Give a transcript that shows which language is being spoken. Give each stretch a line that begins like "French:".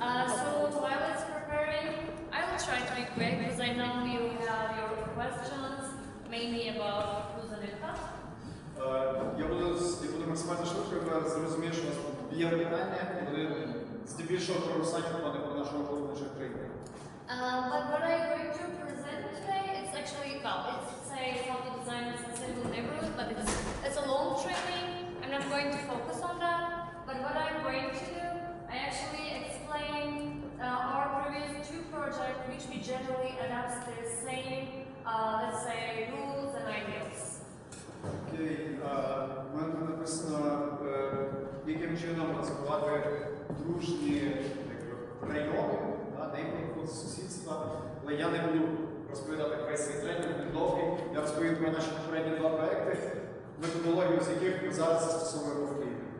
English: So while it's preparing, I will try to be quick because I know you have your questions, mainly about Kuzanika.
Ukrainian: Я буду максимально швидко, я зрозумію, що у нас тут дві питання, і вони здебільшого про Русанів, вони про нашого головного чек країни.
English: But what I'm going to present today, it's actually about, it's say how to design a sustainable neighborhood, but it's a long training, I'm not going to focus on that, but what I'm going to do, I actually explain our previous two projects, which we generally adapt the same, let's say, rules and ideas.
Ukrainian: Окей, в мене написано, яким чином розвивати дружні райони, neighborhoods, сусідства, але я не буду розповідати про цей тренінг, він довгий. Я розповів про наші попередні два проекти, методологію з яких ми зараз застосовуємо в Києві.